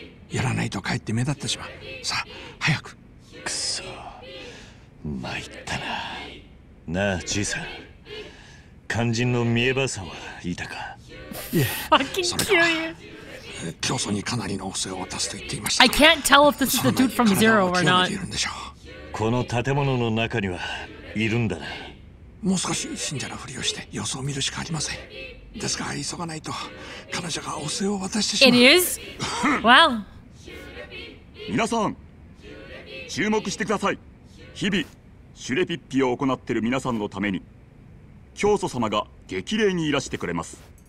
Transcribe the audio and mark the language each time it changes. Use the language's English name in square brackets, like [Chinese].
[Japanese] やらないとかえって目立ってしまう。さあ、早く。くそ、参ったな。なあ、じいさん、肝心のミエばあさんはいたか？いえ、それから教祖にかなりのお世話を渡すと言っていました。 [English] I can't tell if this is the dude from Zero or not. [Japanese] この建物の中にはいるんだな。もう少し信者のふりをして様子を見るしかありません。ですが、急がないと彼女がお世話を渡してしまう。 [English] It is? Well. [Japanese] 皆さん、注目してください。日々、シュレピッピを行っている皆さんのために、教祖様が激励にいらしてくれます。